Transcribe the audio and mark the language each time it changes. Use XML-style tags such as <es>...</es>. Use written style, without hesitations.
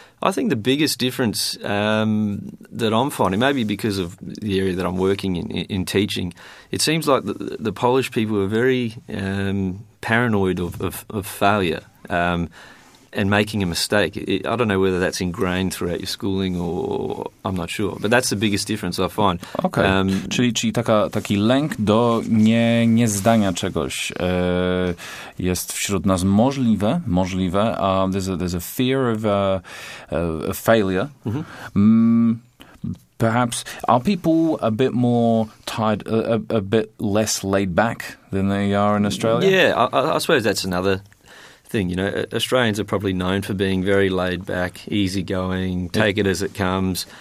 <en>I think the biggest difference that I'm finding, maybe because of the area that I'm working in teaching, it seems like the Polish people are very paranoid of failure. And making a mistake. I don't know whether that's ingrained throughout your schooling or I'm not sure. But that's the biggest difference I find. Okay.</en> <pl>Czyli taki lęk do niezdania czegoś jest wśród nas możliwe.</pl> <en>There's a fear of a failure. Mm-hmm. Perhaps are people a bit more tied, a bit less laid back than they are in Australia? Yeah, I suppose that's another... thing. You know, Australians are probably known for being very laid back, easygoing, take it as it comes.</en>